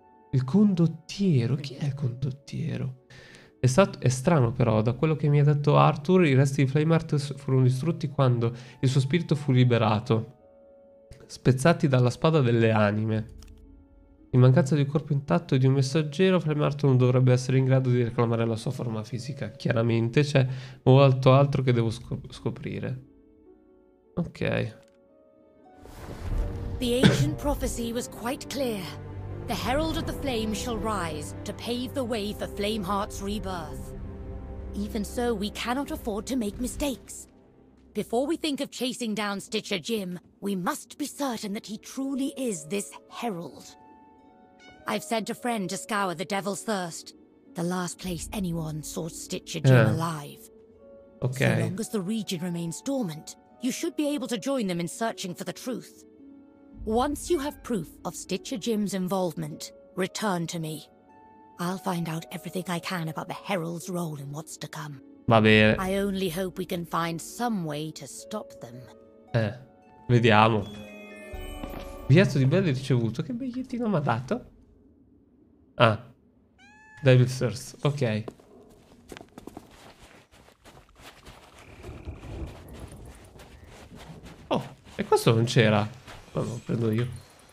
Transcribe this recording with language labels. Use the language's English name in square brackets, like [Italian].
[Italian] Il condottiero, chi è il condottiero? È strano però, da quello che mi ha detto Arthur, i resti di Flameheart furono distrutti quando il suo spirito fu liberato, spezzati dalla spada delle anime. In mancanza di un corpo intatto e di un messaggero, Flameheart non dovrebbe essere in grado di reclamare la sua forma fisica. Chiaramente c'è molto altro che devo scoprire. Ok. [English] The ancient prophecy was quite clear. The Herald of the Flame shall rise to pave the way for Flameheart's rebirth. Even so, we cannot afford to make mistakes. Before we think of chasing down Stitcher Jim, we must be certain that he truly is this Herald. I've sent a friend to scour the Devil's Thirst, the last place anyone saw Stitcher Jim alive. Okay. So long as the region remains dormant, you should be able to join them in searching for the truth. Once you have proof of Stitcher Jim's involvement, return to me. I'll find out everything I can about the Herald's role in what's to come. [Italian] Va bene. [English] I only hope we can find some way to stop them. [Italian] Vediamo. Biglietto di Belle ricevuto. Che bigliettino mi ha dato? Ah. Devil Source. Ok. Oh, e questo non c'era. Ma no, prendo io.